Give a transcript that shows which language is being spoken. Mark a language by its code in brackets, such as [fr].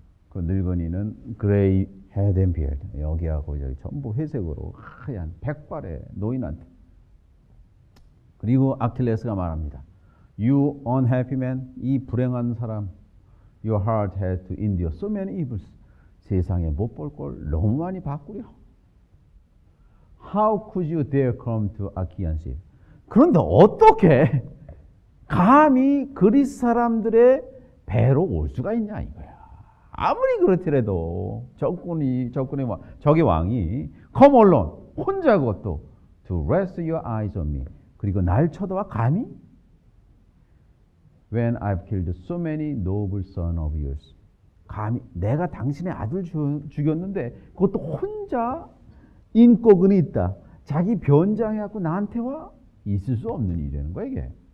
[ko] 그 늙은이는 [en] 그레이 헤드 앤 비어드, [ko] 여기하고 여기 전부 회색으로 하얀 백발의 노인한테. 그리고 아킬레스가 말합니다. [en] You unhappy man, [ko] 이 불행한 사람, [en] your heart had to endure so many evils. [ko] 세상에 못 볼 걸 너무 많이 봤구려. [en] How could you dare come to Achaean city? [ko] 그런데 어떻게 감히 그리스 사람들의 배로 올 수가 있냐 이거야. 아무리 그렇더라도 적군이 적군의 왕, 적의 왕이 [en] come alone [ko] 혼자 그것도 [en] to rest your eyes on me [ko] 그리고 날 쳐다와 감히 [en] when I've killed so many noble son of yours [ko] 감히 내가 당신의 아들 죽였는데 그것도 혼자 인꼬근이 있다 자기 변장해 갖고 나한테 와 있을 수 없는 일이라는 거야 이게